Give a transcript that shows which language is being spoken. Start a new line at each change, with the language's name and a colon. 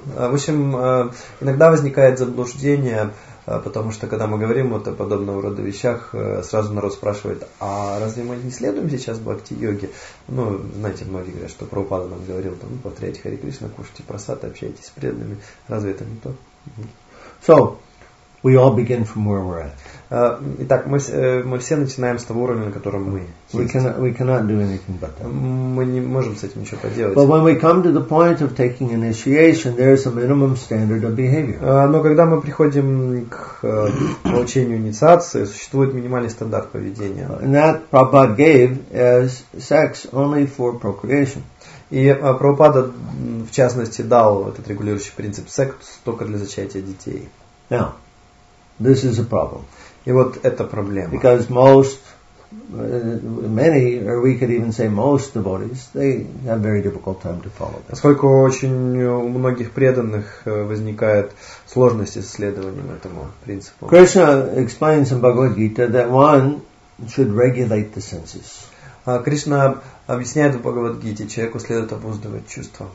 Russian: В общем, иногда возникает заблуждение, потому что когда мы говорим вот о подобного рода вещах, сразу народ спрашивает, а разве мы не следуем сейчас бхакти-йоге? Ну, знаете, многие говорят, что Прабхупада нам говорил, там, повторяйте Хари Кришна, кушайте прасад, общайтесь с преданными. Разве это не то?
English: So, we all begin from where we're at.
Russian: Итак, мы все начинаем с того уровня, на котором мы есть.
English: We cannot do anything but that.
Russian: Мы не можем с этим ничего поделать.
English: But when we come to the point of taking initiation, there is a minimum standard of behavior.
Russian: Но когда мы приходим к получению инициации, существует минимальный стандарт поведения.
English: And that Prabhupada gave as sex only for procreation.
Russian: И Прабхупада, в частности, дал этот регулирующий принцип секс только для зачатия детей.
English: Now, this is a problem.
Russian: И вот это проблема.
English: Because most, many, or we could even say most devotees, they have very difficult time to follow this.
Russian: Поскольку очень у многих преданных возникает сложности с следованием этому принципу.
English: Krishna explains in Bhagavad Gita that one should regulate the senses.
Russian: Кришна объясняет в Бхагавад Гите, человеку следует обуздывать чувства.